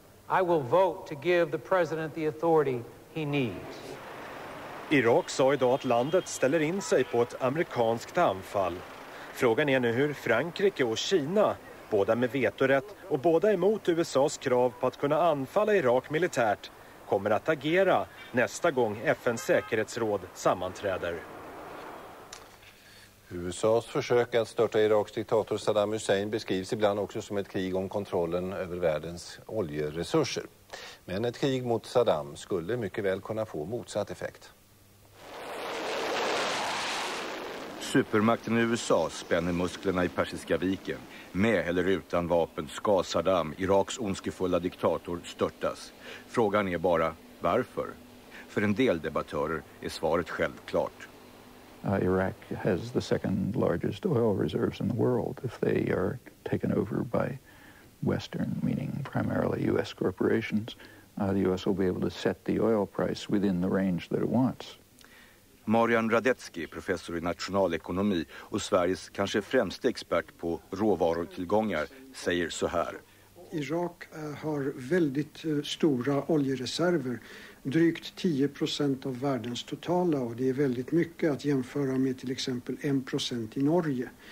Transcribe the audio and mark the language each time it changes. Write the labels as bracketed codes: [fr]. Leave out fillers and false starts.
[en] I will vote to give the president the authority he needs. [sv] Irak sa idag att landet ställer in sig på ett amerikanskt anfall. Frågan är nu hur Frankrike och Kina, båda med vetorätt och båda emot USA:s krav på att kunna anfalla Irak militärt, kommer att agera nästa gång FN:s säkerhetsråd sammanträder. USAs försök att störta Iraks diktator Saddam Hussein beskrivs ibland också som ett krig om kontrollen över världens oljeresurser. Men ett krig mot Saddam skulle mycket väl kunna få motsatt effekt. Supermakten USA spänner musklerna i Persiska viken. Med eller utan vapen ska Saddam, Iraks ondskefulla diktator, störtas. Frågan är bara, varför? För en del debattörer är svaret självklart. [en] Iraq has the second largest oil reserves in the world. If they are taken over by Western, meaning primarily U.S. corporations, the U.S. will be able to set the oil price within the range that it wants. [sv] Marian Radetzky, professor i nationalekonomi och Sveriges kanske främste expert på råvarutillgångar, säger så här. Irak har väldigt stora oljereserver. Drygt 10% av världens totala, och det är väldigt mycket att jämföra med till exempel 1% i Norge.